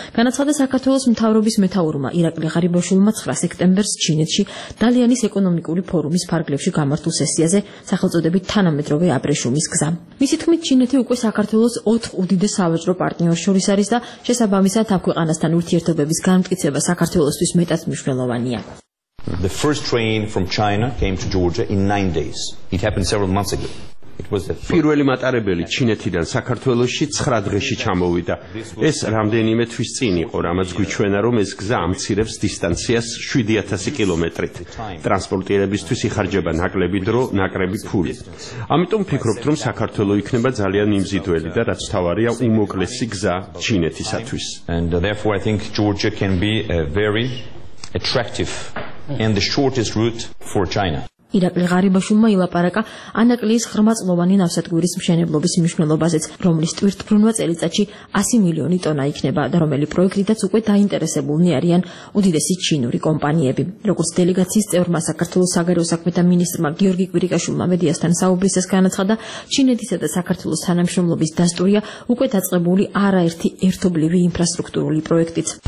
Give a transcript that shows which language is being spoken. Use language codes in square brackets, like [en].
[ka] განაცხადა საქართველოს მთავრობის მეთაურმა ირაკლი ღარიბაშვილმა 9 სექტემბერს ჩინეთში დალიანის ეკონომიკური ფორუმის ფარგლებში გამართულ სესიაზე სახელწოდებით თანამედროვე აბრეშუმის გზა. მისი თქმით, ჩინეთი უკვე საქართველოს 4 უდიდეს სავაჭრო პარტნიორს შორის არის და შესაბამისად აქ ქვეყანასთან ურთიერთობების განმტკიცება საქართველოსთვის მეტად მნიშვნელოვანია. [en] The first train from China came to Georgia in 9 days. It happened several months ago. [ka] პირველი მატარებელი ჩინეთიდან საქართველოში 9 დღეში ჩამოვიდა. ეს რამდენიმე თვის წინ იყო, რამაც გვიჩვენა, რომ ეს გზა ამცირებს დისტანციას 7000 კილომეტრით. ტრანსპორტირებისთვის იხარჯება ნაკლები დრო, ნაკლები ფული. ამიტომ ვფიქრობთ, რომ საქართველო იქნება ძალიან იმზიდველი და რაც თავარია, უმოკლესი გზა ჩინეთისათვის. [en] And therefore I think Georgia can be a very attractive and the shortest route for China. [ka] Irakli Gharibashvilma ilaparaka Anaklis 9-წლოვანი ნავსადგურის მშენებლობის მნიშვნელობაზეც, რომლის ტვირთბრუნვა წელიწადში 100 მილიონი ტონა იქნება და რომელი პროექტითაც უკვე დაინტერესებულნი არიან უდიდესი ჩინური კომპანიები. როგორც დელეგაციის წევრმა საქართველოს საგარეო საქმეთა მინისტრმა გიორგი კვირიკაშვილმა მედიასთან საუბრისას განაცხადა, ჩინეთისა და საქართველოს თანამშრომლობის დასტურია უკვე დაწყებული არაერთი ერთობლივი ინფრასტრუქტურული პროექტიც.